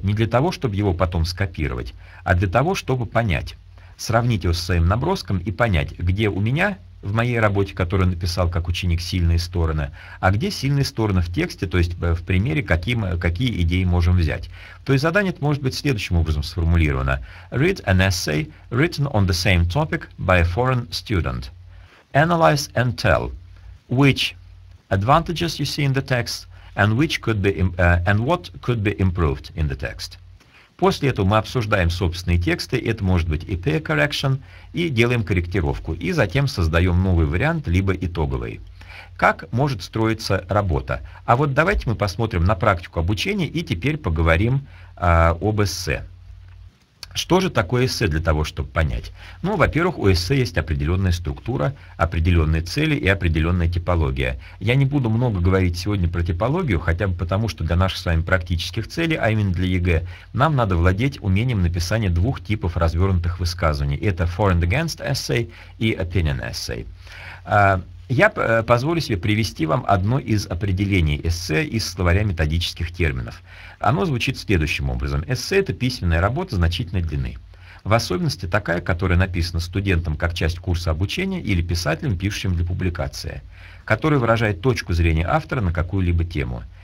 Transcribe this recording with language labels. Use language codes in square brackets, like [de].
[ru] Не для того, чтобы его потом скопировать, а для того, чтобы понять. Сравнить его со своим наброском и понять, где у меня в моей работе, которую написал как ученик, сильные стороны, а где сильные стороны в тексте, то есть в примере, какие идеи можем взять. То есть задание может быть следующим образом сформулировано. [en] Read an essay written on the same topic by a foreign student. Analyze and tell which advantages you see in the text and which could be and what could be improved in the text. [ru] После этого мы обсуждаем собственные тексты, это может быть и peer correction, и делаем корректировку, и затем создаем новый вариант, либо итоговый. Как может строиться работа? А вот давайте мы посмотрим на практику обучения и теперь поговорим об эссе. Что же такое эссе для того, чтобы понять? Ну, во-первых, у эссе есть определенная структура, определенные цели и определенная типология. Я не буду много говорить сегодня про типологию, хотя бы потому, что для наших с вами практических целей, а именно для ЕГЭ, нам надо владеть умением написания двух типов развернутых высказываний. Это for and against essay и opinion essay. Я позволю себе привести вам одно из определений эссе из словаря методических терминов. Оно звучит следующим образом. Эссе – это письменная работа значительной длины. В особенности такая, которая написана студентом как часть курса обучения или писателем, пишущим для публикации, которая выражает точку зрения автора на какую-либо тему.